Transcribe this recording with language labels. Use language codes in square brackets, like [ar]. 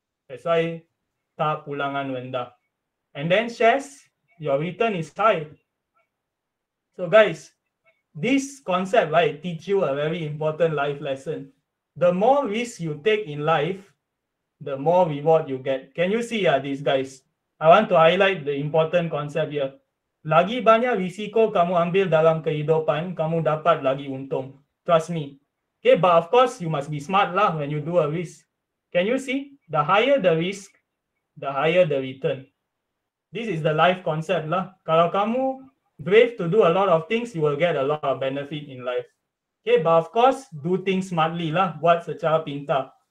[en] That's why [ms] tak pulangan rendah. [en] And then shares, your return is high. So guys, this concept right, teach you a very important life lesson. The more risk you take in life, the more reward you get. Can you see this, guys? I want to highlight the important concept here. [ms] Lagi banyak risiko kamu ambil dalam kehidupan, kamu dapat lagi untung. [en] Trust me. Okay, but of course, you must be smart lah when you do a risk. Can you see? The higher the risk, the higher the return. This is the life concept lah. [ms] Kalau kamu [en] brave to do a lot of things, you will get a lot of benefit in life. Okay, but of course, do things smartly lah. [ms] Buat secara pintar.